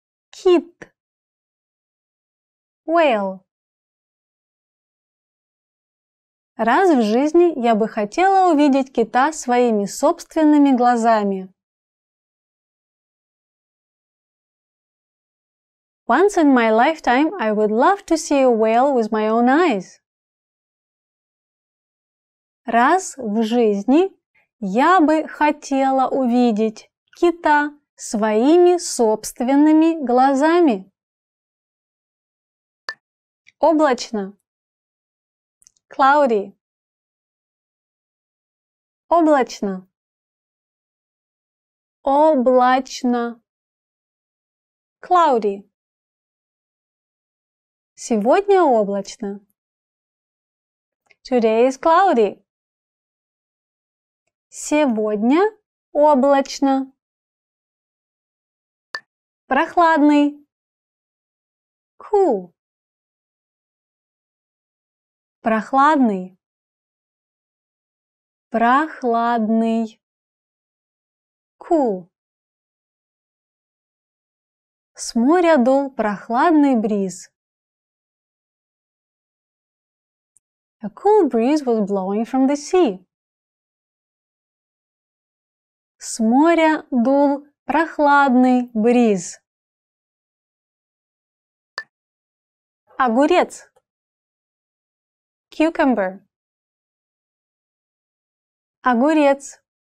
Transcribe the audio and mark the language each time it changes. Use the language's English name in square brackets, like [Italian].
[Russian] Кит. [English] Whale. [Russian] Раз в жизни я бы хотела увидеть кита своими собственными глазами. [English] Once in my lifetime, I would love to see a whale with my own eyes. [Russian] Раз в жизни я бы хотела увидеть кита своими собственными глазами. Облачно. [English] Cloudy. [Russian] Облачно. Облачно. [English] Cloudy. [Russian] Сегодня облачно. [English] Today is cloudy. [Russian] Сегодня облачно. Прохладный. [English] Cool. [Russian] Прохладный. Прохладный. [English] Cool. [Russian] С моря дул прохладный бриз. [English] A cool breeze was blowing from the sea. [Russian] С моря дул прохладный бриз. Огурец. [English] Cucumber. [Russian] Огурец.